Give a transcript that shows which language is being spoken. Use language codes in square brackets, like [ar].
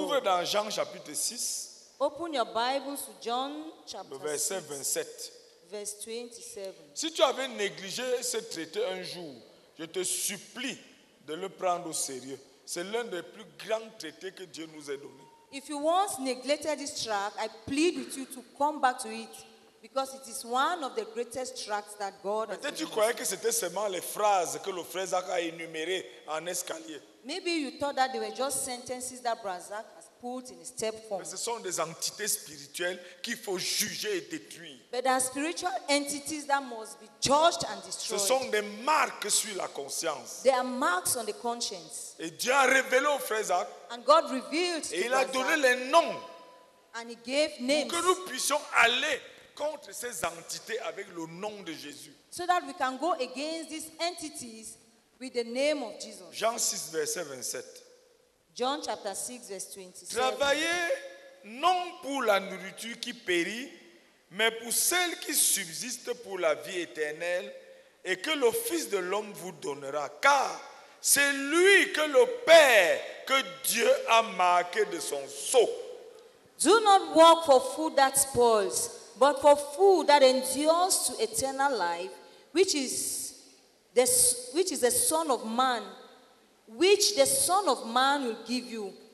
[fr] Ouvre dans Jean chapitre 6. [en] Open your Bible to John chapter [fr] verset 6. Verset 27. [en] Verse 27. [fr] Si tu avais négligé ce traité un jour, je te supplie de le prendre au sérieux. C'est l'un des plus grands traités que Dieu nous ait donné. [en] If you once neglected this tract, I plead with you to come back to it because it is one of the greatest tracts that God has given. [fr] Peut-être tu croyais que c'était seulement les phrases que le frère Zach a énumérées en escalier. [en] Maybe you thought that they were just sentences that Brother Zach has put in a step form. [fr] Mais ce sont des entités spirituelles qu'il faut juger et détruire. [en] But there are spiritual entities that must be judged and destroyed. [fr] Ce sont des marques sur la conscience. [en] There are marks on the conscience. [fr] Et Dieu a révélé au frère Zach. [en] And God revealed to [fr] Zach. Et il a donné les noms. [en] And he gave names. [fr] Pour que nous puissions aller contre ces entités avec le nom de Jésus. [en] So that we can go against these entities with the name of Jesus. [fr] Jean 6, verset 27. [en] John chapter 6, verse 27. [fr] Travaillez non pour la nourriture qui périt, mais pour celle qui subsiste pour la vie éternelle et que le Fils de l'homme vous donnera. Car c'est lui que le Père, que Dieu a marqué de son sceau. [en] Do not work for food that spoils, but for food that endures to eternal life, which is the Son of Man, which the Son of Man will give you.